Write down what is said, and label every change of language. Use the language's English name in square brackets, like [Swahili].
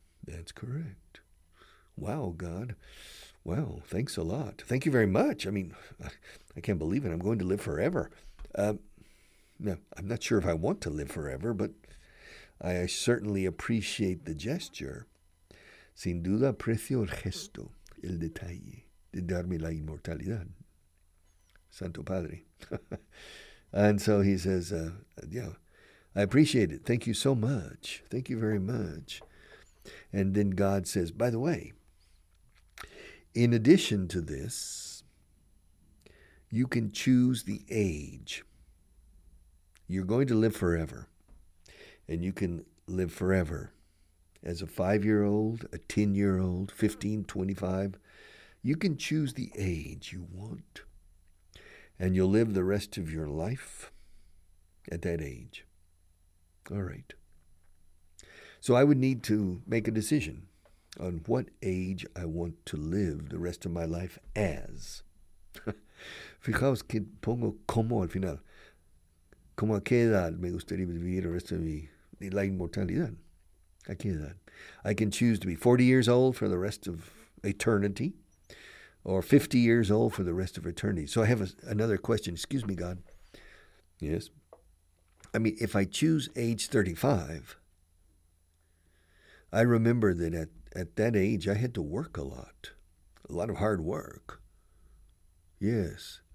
[English] That's correct. Wow, God. Wow, thanks a lot. Thank you very much. I mean, I can't believe it. I'm going to live forever. I'm not sure if I want to live forever, but I certainly appreciate the gesture. [Spanish] Sin duda aprecio el gesto, el detalle de darme la inmortalidad. [English] Santo Padre. And so he says, I appreciate it. Thank you so much. Thank you very much. And then God says, by the way, in addition to this, you can choose the age. You're going to live forever. And you can live forever as a 5-year-old, a 10-year-old, 15, 25. You can choose the age you want. And you'll live the rest of your life at that age. All right. So I would need to make a decision on what age I want to live the rest of my life as. [Spanish] Fijaos que pongo como al final. ¿Cómo a qué edad me gustaría vivir el resto de la inmortalidad? ¿A qué edad? [English] I can choose to be 40 years old for the rest of eternity or 50 years old for the rest of eternity. So I have another question. Excuse me, God. Yes? I mean, if I choose age 35, I remember that at that age I had to work a lot of hard work. Yes.